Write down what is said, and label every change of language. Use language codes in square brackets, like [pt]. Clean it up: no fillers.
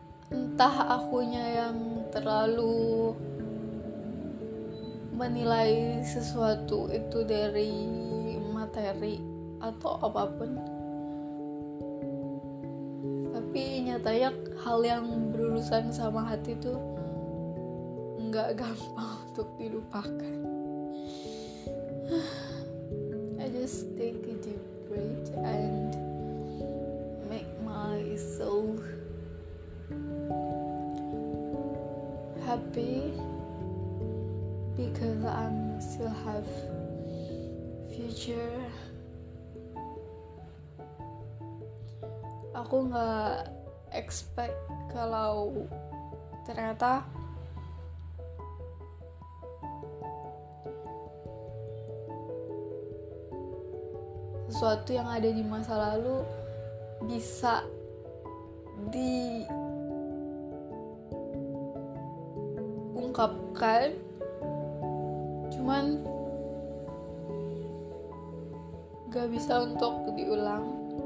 [id] Entah akunya yang terlalu menilai sesuatu itu dari materi atau apapun, tapi nyatanya hal yang berurusan sama hati itu gak gampang untuk dilupakan. [en] I just take a deep breath and make my soul happy because I'm still have future. [id] Aku gak expect kalau ternyata sesuatu yang ada di masa lalu bisa di ungkapkan, cuman gak bisa untuk diulang.